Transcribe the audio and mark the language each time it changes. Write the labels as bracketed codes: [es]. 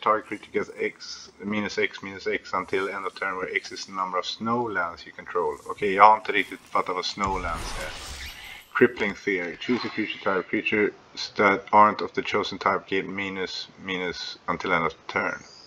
[en] Target creature gets X, minus X, minus X until end of turn where X is the number of snowlands you control. [sv] Okej, jag har inte riktigt fattat vad snowlands är. [en] Crippling Fear. Choose a creature type. Creatures that aren't of the chosen type get minus, minus until end of turn.